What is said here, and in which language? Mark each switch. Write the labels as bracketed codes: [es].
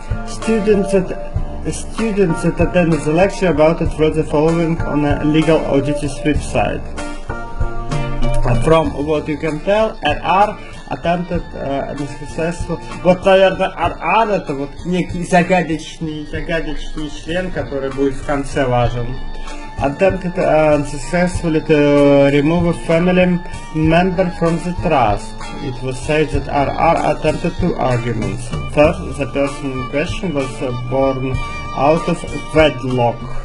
[en] Students that attended the lecture about it wrote the following on a legal audit's website. From what you can tell, RR attempted an unsuccessful. [ru] Вот, наверное, RR это вот некий загадочный член, который будет в конце важен. [en] Attempted unsuccessfully to remove a family member from the trust. It was said that RR attempted two arguments. First, the person in question was born out of wedlock.